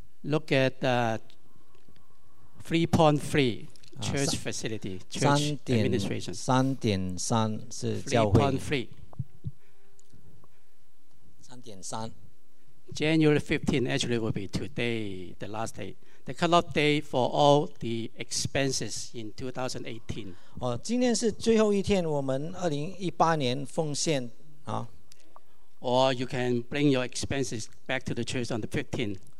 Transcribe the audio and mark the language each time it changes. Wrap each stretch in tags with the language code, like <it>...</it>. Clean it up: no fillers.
<en>Look at the 3.3 church facility, church administration.</en> <zh>3.3是教会。 3.3. 3.3.</zh> <en>January 15 actually will be today, the last day, the cutoff day for all the expenses in 2018.</en> <zh>哦，今天是最后一天，我们2018年奉献啊。</zh> <en>Or you can bring your expenses back to the church on the 15th.</en>